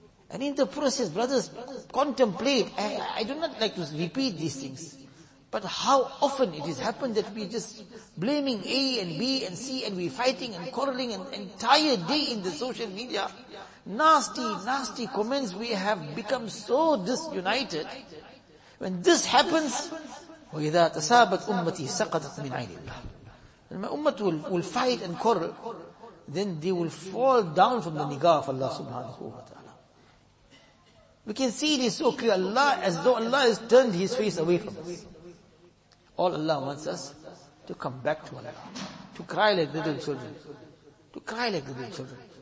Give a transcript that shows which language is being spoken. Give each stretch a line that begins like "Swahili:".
English: And in the process, brothers, contemplate. I do not like to repeat these things. But how often it has happened that we just blaming A and B and C and we fighting and quarreling an entire day in the social media. Nasty, nasty comments. We have become so disunited. When this happens,
Arabic: وَإِذَا تَسَابَتْ أُمَّتِي سَقَطَتْ مِنْ عَيْنِ اللَّهِ.
English: My ummah will fight and quarrel, then they will fall down from the nigah of Allah subhanahu wa ta'ala. We can see this so clear, Allah, as though Allah has turned His face away from us. All Allah wants us to come back to Allah, to cry like little children, to cry like little children.